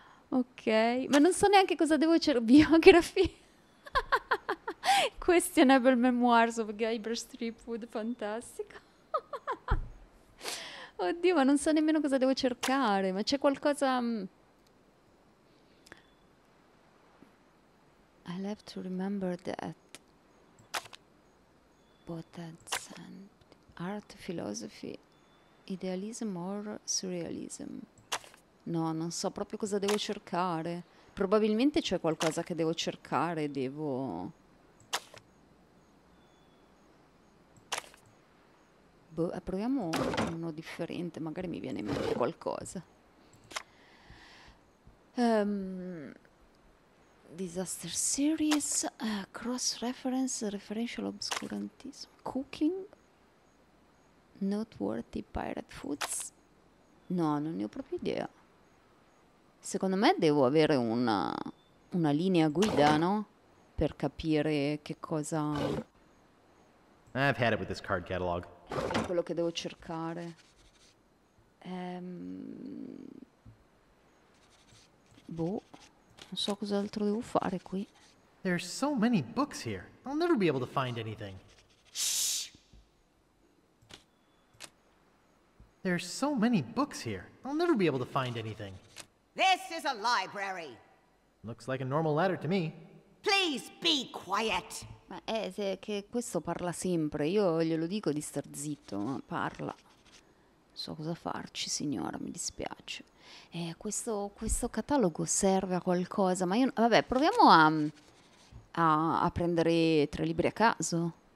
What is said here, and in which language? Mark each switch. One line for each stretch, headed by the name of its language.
Italian: Ok, ma non so neanche cosa devo cercare. Biografia.
English: Questionable memoirs of Guybrush Threepwood,
Italian: fantastico. Oddio, ma non so nemmeno cosa devo cercare. Ma c'è qualcosa...
English: I'll have to remember that. But that's art, philosophy, idealism or surrealism.
Italian: No, non so proprio cosa devo cercare. Probabilmente c'è qualcosa che devo cercare. Devo... Boh, proviamo uno differente. Magari mi viene in mente qualcosa.
English: Disaster series, cross-reference, referential obscurantism, cooking, noteworthy pirate foods.
Italian: No, non ne ho proprio idea. Secondo me devo avere una linea guida, no? Per capire che cosa...
English: I've had it with this card catalog.
Italian: È quello che devo cercare. Boh. Non so cos'altro devo fare qui.
English: There are so many books here. I'll never be able to find anything. There are so many books here. I'll never be able to find anything. This is a library. Looks like a normal ladder to me. Please be quiet.
Italian: Ma è che questo parla sempre. Io glielo dico di star zitto, ma parla. Non so cosa farci, signora, mi dispiace. Questo catalogo serve a qualcosa, ma io... Vabbè, proviamo a prendere tre libri a caso.